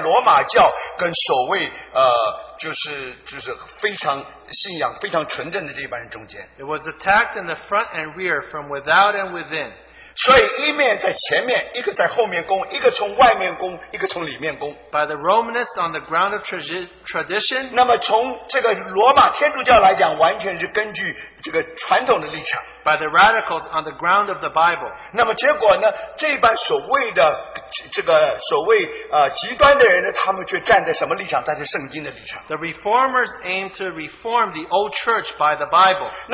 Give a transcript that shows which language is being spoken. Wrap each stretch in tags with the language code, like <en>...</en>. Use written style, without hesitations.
<zh>所以现在他们变成夹在什么呢？夹在罗马教跟所谓就是非常信仰、非常纯正的这一帮人中间。</zh> <en>It was attacked in the front and rear from without and within.</en> <zh>所以一面在前面，一个在后面攻，一个从外面攻，一个从里面攻。</zh> <en>By the Romanists on the ground of tradition.</en> <zh>那么从这个罗马天主教来讲，完全是根据这个传统的立场。</zh> <en>By the radicals on the ground of the Bible.</en> <zh>那么结果呢，这一帮所谓的极端的人呢，他们却站在什么立场？站在圣经的立场。</zh> <en>The reformers aim to reform the old church by the Bible.</en>